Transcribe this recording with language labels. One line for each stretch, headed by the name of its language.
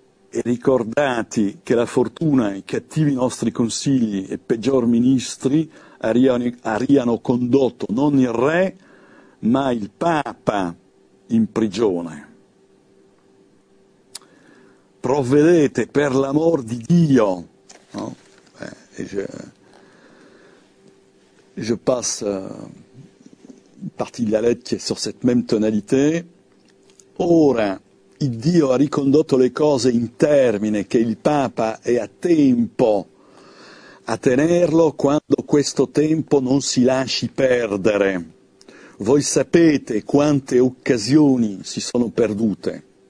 Italian: E ricordati che la fortuna e i cattivi nostri consigli e peggior ministri arriano condotto non il re, ma il papa in prigione. Provvedete per l'amor di Dio. No?
French: Je passe une partie de la lettre qui est sur cette même tonalité.
Italian: Ora, il Dio ha ricondotto le cose in termine che il Papa è a tempo a tenerlo quando questo tempo non si lasci perdere. Voi sapete quante occasioni si sono perdute.